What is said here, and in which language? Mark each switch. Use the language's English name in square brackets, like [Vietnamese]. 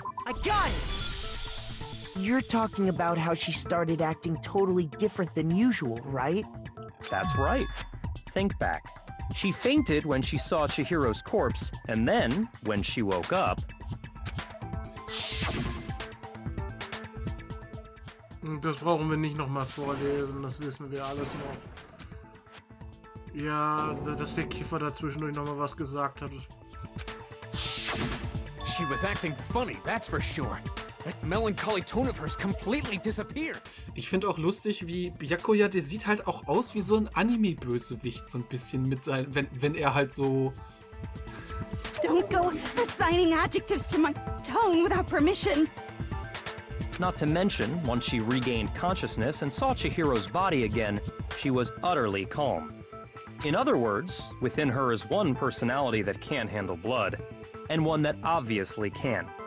[English] I got it! You're talking about how she started acting totally different than usual, right? That's right. Think back. She fainted when she saw Chihiro's corpse, and then, when she woke up... [German] Das brauchen wir nicht nochmal vorlesen, das wissen wir alles noch. Ja, dass der Kiffer dazwischendurch nochmal was gesagt hat. [English] She was acting funny, that's for sure. That melancholy tone of hers completely disappeared. [German] Ich finde auch lustig, wie Byakuya, der sieht halt auch aus wie so ein Anime-Bösewicht, so ein bisschen mit seinem, wenn er halt so... [English] Don't go assigning adjectives to my tone without permission. Not to mention, once she regained consciousness and saw Chihiro's body again, she was utterly calm. In other words, within her is one personality that can't handle blood, and one that obviously can.